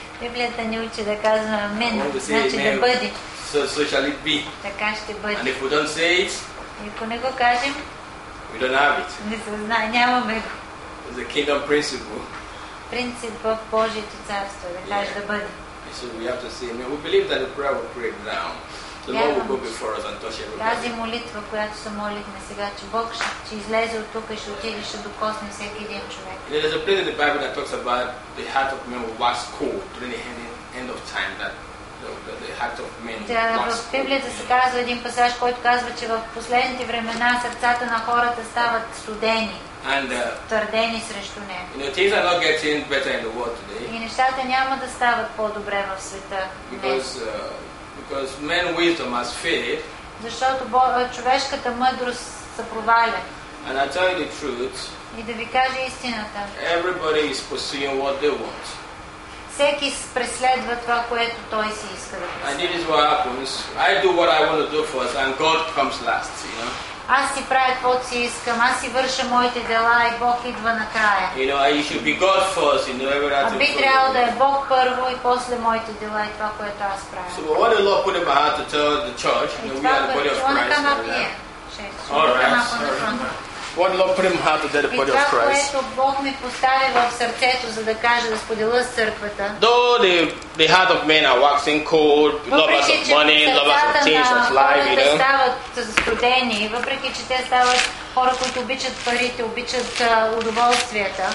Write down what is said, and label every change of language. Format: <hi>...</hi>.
<bg>Библията ни учи да казваме амин. Значи да бъде.</bg> <en>So shall it be.</en> <bg>Така ще бъде.</bg> <en>And if we don't say it,</en> <bg>и ако не го кажем,</bg> <en>we don't have it.</en> <bg>Не се знае, нямаме го.</bg> <en>It's a kingdom principle.</en> <bg>Принцип в Божието царство, да кажеш да бъде.</bg> <en>And so we have to say amen. We believe that the prayer will pray now. The Lord will go before us and touch everybody.</en> <bg>Тази молитва, която се молихме сега, че Бог ще излезе от тук и ще отиде, ще докосне всеки един човек.</bg> <en>And there's a place in the Bible that talks about the heart of man was cold during the end of time, that the heart heart of men.</en> <bg>Да, в Библията се казва един пасаж, който казва, че в последните времена сърцата на хората стават студени.</bg> <en>And</en> <bg>твърдени срещу него.</bg> <en>You know, things are not getting better in the world today.</en> <bg>И нещата няма да стават по-добре в света.</bg> <en>Because men wisdom has failed.</en> <bg>Защото човешката мъдрост се проваля.</bg> <en>And I tell you the truth.</en> <bg>И да ви кажа истината.</bg> <en>Everybody is pursuing what they want.</en> <bg>Всеки преследва това, което той си иска да преследва.</bg> <en>And this is what happens. I do what I want to do first, and God comes last, you know.</en> <bg>Аз си правя каквото си искам, аз си върша моите дела и Бог идва накрая.</bg> <en>You know, you should be God first, you know, everything.</en> <bg>А би трябвало да е Бог първо и после моите дела и това, което аз правя.</bg> <en>So what the Lord put in my heart to tell the church, you know, we are the body of Christ. Right? All right. What the Lord put in my heart to tell the body of Christ.</en> <bg>И това, което Бог ми постави в сърцето, за да кажа, да споделя с църквата.</bg> <en>Though the heart of men are waxing cold, lovers of money, lovers of change of life, you know.</en> <bg>Стават студени, въпреки че те стават хора, които обичат парите, обичат удоволствията.</bg>